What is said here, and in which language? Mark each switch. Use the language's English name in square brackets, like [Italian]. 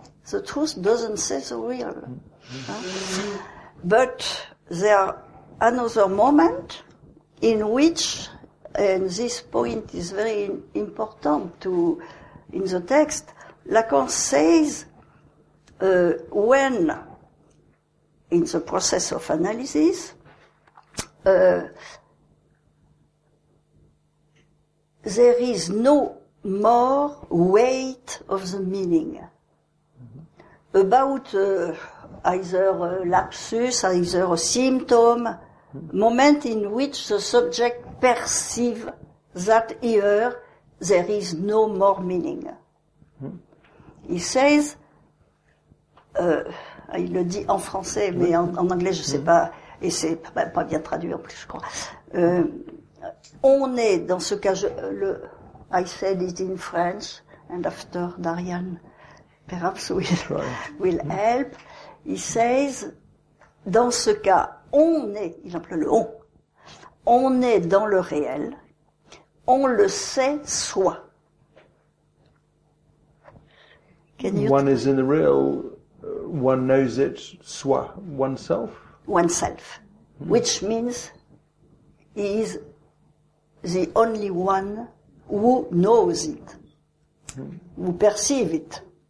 [English] The truth doesn't say the real. But there are another moment in which, and this point is very important to in the text, Lacan says when, in the process of analysis, there is no more weight of the meaning. About either a lapsus, either a symptom, moment in which the subject perceives that here there is no more meaning. He says, [French] il le dit en français, mais en anglais je sais pas, et c'est pas bien traduit en plus, je crois. On est dans ce cas, [English] I said it in French, and after Darian perhaps will help. He says, [French] dans ce cas, on est, il emploie le on est dans le réel, on le sait soi. [English] One is in the real, one knows it soi, oneself? Oneself, which means he is the only one who knows it, who perceives it.